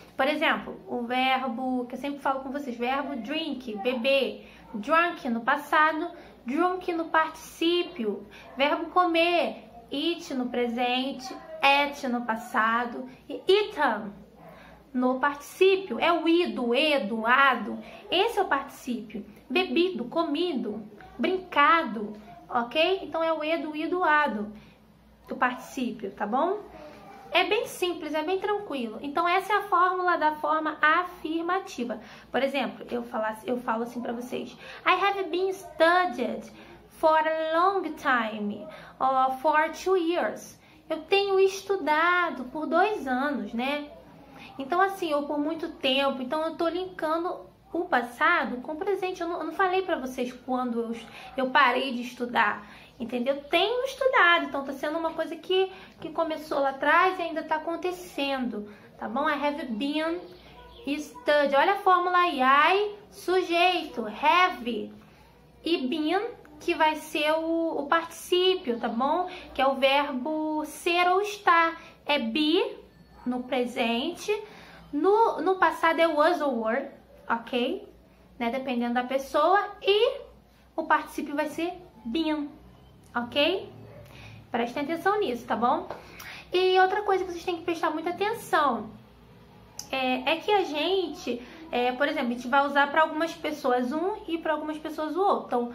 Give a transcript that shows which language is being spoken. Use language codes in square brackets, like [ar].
[pt] Por exemplo, o verbo, que eu sempre falo com vocês, verbo drink, beber, drunk no passado, drunk no particípio, verbo comer, eat no presente, ate no passado, e eaten no particípio, é o ido, edoado, esse é o particípio, bebido, comido, brincado, ok? Então é o edo, edoado do particípio, tá bom? É bem simples, é bem tranquilo. Então, essa é a fórmula da forma afirmativa. Por exemplo, eu falo assim pra vocês. [en] I have been studied for a long time, for 2 years. [pt] Eu tenho estudado por 2 anos, né? Então, assim, ou por muito tempo. Então, eu tô linkando o passado com o presente. Eu não falei pra vocês quando eu parei de estudar. Entendeu? Tenho estudado, então tá sendo uma coisa que começou lá atrás e ainda tá acontecendo, tá bom? [en] I have been studied. [pt] Olha a fórmula aí, I, sujeito, have e been, que vai ser o particípio, tá bom? Que é o verbo ser ou estar. É be no presente, no passado é was or were, ok? Né? Dependendo da pessoa, e o particípio vai ser been. Ok? Prestem atenção nisso, tá bom? E outra coisa que vocês têm que prestar muita atenção é que a gente, por exemplo, a gente vai usar para algumas pessoas um e para algumas pessoas o outro.